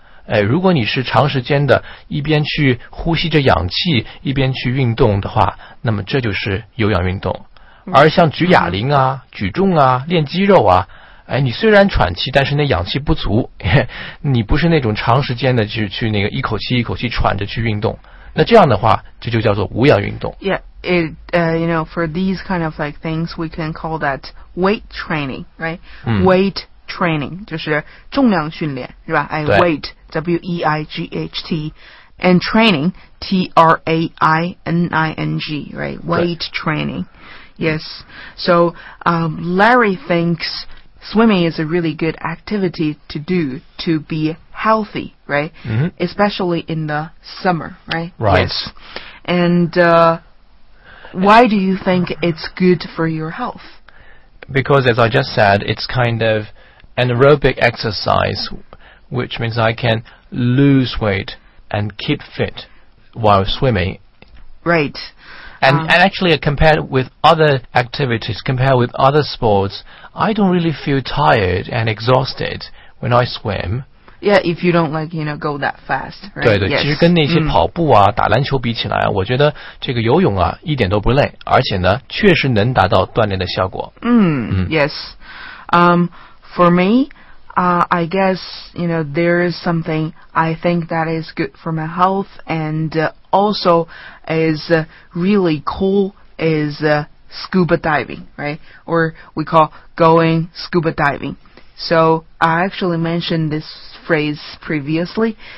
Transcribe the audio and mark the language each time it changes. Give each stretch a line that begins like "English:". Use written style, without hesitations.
Chinese: 哎，如果你是长时间的一边去呼吸着氧气一边去运动的话，那么这就是有氧运动。而像举哑铃啊、举重啊、练肌肉啊，哎，你虽然喘气，但是那氧气不足，你不是那种长时间的去那个一口气一口气喘着去运动。那这样的话，这就叫做无氧运动。
English: Yeah, it, you know, for these kind of like things, we can call that weight training, right?、嗯、
Chinese: weight training 就是重量训练，是吧？
English: 哎 ，weight, W-E-I-G-H-T, and training, T-R-A-I-N-I-N-G, right? Weight training. Yes. So, Larry thinks. Swimming is a really good activity to do to be healthy, right?、 Mm-hmm. Especially in the summer, right? Right. Yes. And、why do you think it's good for your health? Because as I just said, it's kind of an aerobic exercise, which means I can lose weight and keep fit while swimming. Right. And, and actually, compared with other activities, compared with other sports, I don't really feel tired and exhausted when I swim. Yeah, if you don't like, you know, go that fast, right?
Chinese: 对对、
English: yes.
Chinese: 其实跟那些跑步啊、打篮球比起来、啊、我觉得这个游泳啊一点都不累，而且呢确实能达到锻炼的效果。
English: Yes. For me,I guess, you know, there is something I think that is good for my health and、also is、really cool is、scuba diving, right? Or we call going scuba diving. So I actually mentioned this phrase previously.